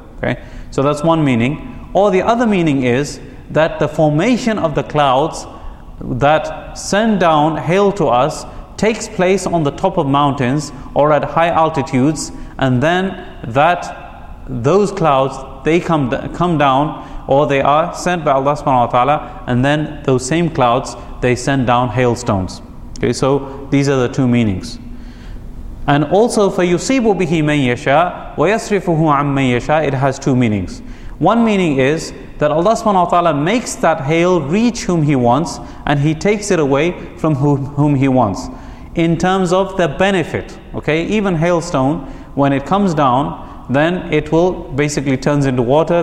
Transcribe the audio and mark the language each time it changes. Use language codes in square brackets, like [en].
[en] Okay, so that's one meaning. Or the other meaning is that the formation of the clouds that send down hail to us takes place on the top of mountains or at high altitudes, and then that those clouds, they come down, or they are sent by Allah subhanahu wa ta'ala, and then those same clouds, they send down hailstones. Okay, so these are the two meanings. And also, [ar] فَيُصِيبُ بِهِ مَنْ يَشَاءُ وَيَصْرِفُهُ عَمْ مَنْ يَشَاءُ [en] It has two meanings. One meaning is that Allah subhanahu wa ta'ala makes that hail reach whom He wants, and He takes it away from whom He wants. In terms of the benefit, okay, even hailstone, when it comes down, then it will basically turns into water.